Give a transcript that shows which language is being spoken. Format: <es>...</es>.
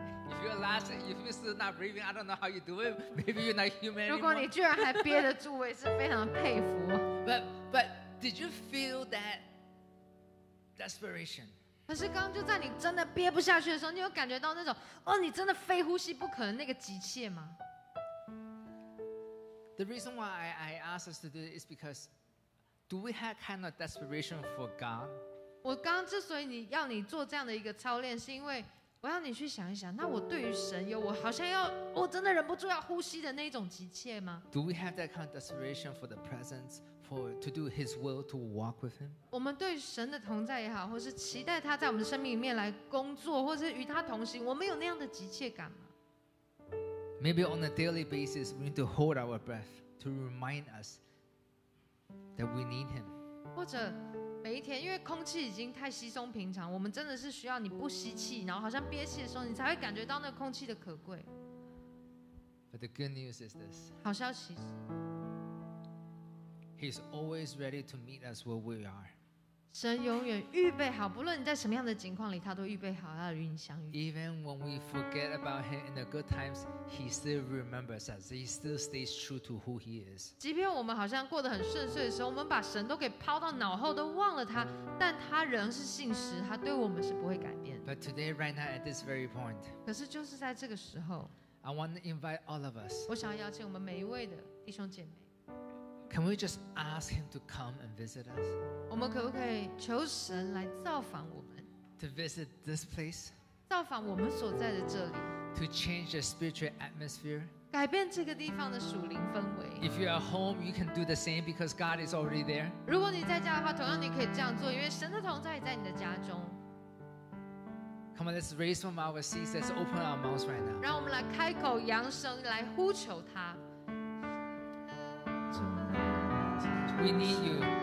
<en>If you're last, if you're still not breathing, I don't know how you do it. Maybe you're not human.</en> <zh>如果你居然还憋得住，我也是非常佩服。</zh> <en>But did you feel that desperation?</en> <zh>可是刚刚就在你真的憋不下去的时候，你有感觉到那种哦，你真的非呼吸不可的那个急切吗</zh> <en>？The reason why I asked us to do it is because do we have kind of desperation for God?</en> <zh>我刚刚之所以要你做这样的一个操练，是因为我要你去想一想，那我对于神有我好像要我真的忍不住要呼吸的那种急切吗？</zh> <en>Do we have that kind of desperation for the presence, for to do His will, to walk with Him?</en> <zh>我们对神的同在也好，或是期待他在我们生命里面来工作，或是与他同行，我们有那样的急切感吗？</zh> <en>Maybe on a daily basis, we need to hold our breath to remind us that we need Him.</en> <zh>或者每一天，因为空气已经太稀松平常，我们真的是需要你不吸气，然后好像憋气的时候，你才会感觉到那个空气的可贵。</zh> <en>But the good news is this.</en> <zh>好消息是</zh> <en>，He's always ready to meet us where we are.</en> <zh>神永远预备好，不论你在什么样的境况里，他都预备好要与你相遇。</zh> <en>Even when we forget about Him in the good times, He still remembers us. He still stays true to who He is.</en> <zh>即便我们好像过得很顺遂的时候，我们把神都给抛到脑后，都忘了他，但他仍是信实，他对我们是不会改变。</zh> <en>But today, right now, at this very point,</en> <zh>可是就是在这个时候</zh> <en>，I want to invite all of us.</en> <zh>我想要邀请我们每一位的弟兄姐妹。</zh> <en>Can we just ask Him to come and visit us?</en> <zh>我们可不可以求神来造访我们</zh> <en>？To visit this place.</en> <zh>造访我们所在的这里。</zh> <en>To change the spiritual atmosphere.</en> <zh>改变这个地方的属灵氛围。</zh> <en>If you are home, you can do the same because God is already there.</en> <zh>如果你在家的话，同样你可以这样做，因为神的同在也在你的家中。</zh> <en>Come on, let's raise from our seats. Let's open our mouths right now.</en> <zh>让我们来开口扬声来呼求他。</zh> <en>We need you.</en>